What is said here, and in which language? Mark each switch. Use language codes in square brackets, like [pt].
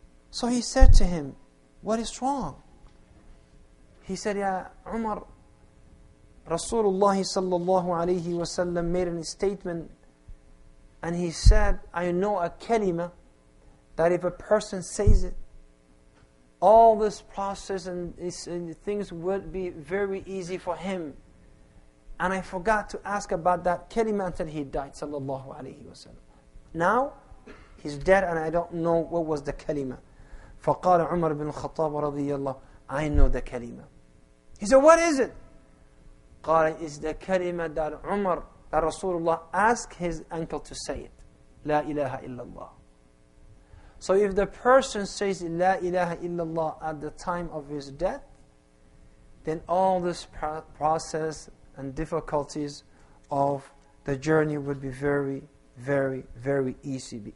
[en] So he said to him, what is wrong? He said, ya Umar, Rasulullah sallallahu alayhi wa sallam made a statement and he said, I know a kalima that if a person says it, all this process and things would be very easy for him. And I forgot to ask about that kalima until he died, sallallahu alayhi wa sallam. Now, he's dead and I don't know what was the kalima. [ar] فَقَالَ عُمَرْ بِنْ خَطَابَ رَضِيَ اللَّهُ, [en] I know the kalima. He said, what is it? قَالَ is the kalima that Umar, that Rasulullah asked his uncle to say it. [ar] لا إله إلا الله. [en] So if the person says La ilaha illallah at the time of his death, then all this process and difficulties of the journey would be very, very, very easy.